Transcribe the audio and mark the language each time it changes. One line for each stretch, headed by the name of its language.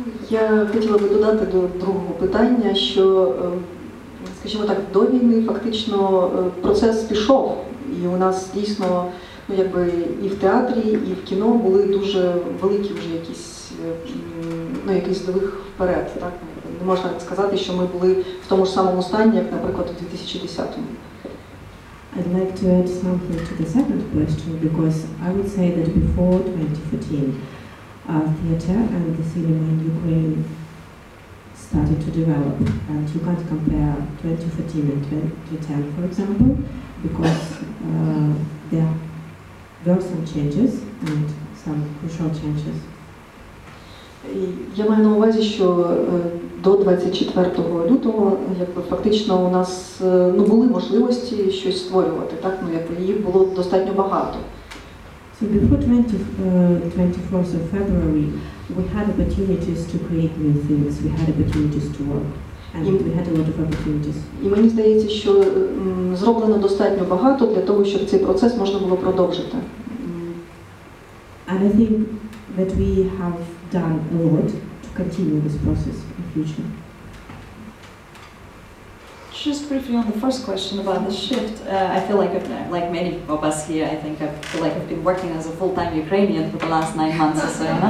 Ukrainian: Я хотіла би додати до другого питання, що, скажімо так, до війни фактично процес пішов, і у нас дійсно, ну якби і в театрі, і в кіно були дуже великі вже якісь двих вперед. Так? Не можна сказати, що ми були в тому ж самому стані, як, наприклад, у 2010-му.
English: I'd like to add something to the second question, because I would say that before 2014, theater and the cinema in Ukraine started to develop, and you can't compare 2014 and 2010, for example, because there were some changes and some crucial changes.
Ukrainian: Я маю на увазі, що до 24 лютого, якби фактично у нас були можливості щось створювати, так, їх було достатньо багато.
English: So before 24th of February, we had opportunities to create new things, we had opportunities to work, and we had a lot of opportunities.
Ukrainian: І мені здається, що зроблено достатньо багато для того, щоб цей процес можна було продовжити.
English: And I think that we have done a lot to continue this process in future. Just briefly on the first question about the shift, I feel like, like many of us here, I think I feel like I've been working as a full-time Ukrainian for the last 9 months or so.